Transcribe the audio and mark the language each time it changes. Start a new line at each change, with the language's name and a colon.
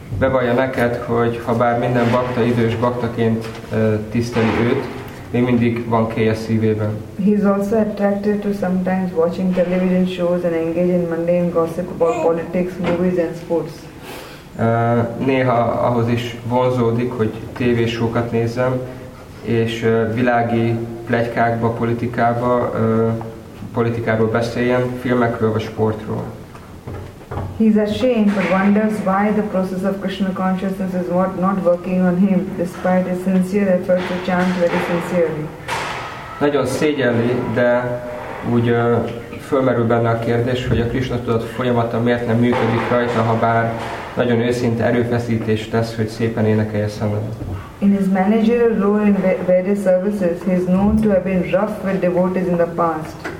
Hungarian: Bevallja neked, hogy ha bár minden bakta idős baktaként tiszteli őt, még mindig van kéje szívében.
English: He is also attracted to sometimes watching television shows and engage in mundane gossip about politics, movies and sports.
Hungarian: Néha ahhoz is vonzódik, hogy tévéshowkat nézzem, és világi pletykákba, politikába, politikáról beszéljen, filmekről vagy sportról.
English: He is ashamed but wonders why the process of Krishna consciousness is not working on him despite his sincere efforts to chant very sincerely.
Hungarian: Nagyon szégyelli, de úgy fölmerül benne a kérdés, hogy a Krishna tudat folyamata miért nem működik rajta, ha bár nagyon őszinte erőfeszítést tesz, hogy szépen énekelje szemben.
English: In his managerial role in various services, he is known to have been rough with devotees in the past.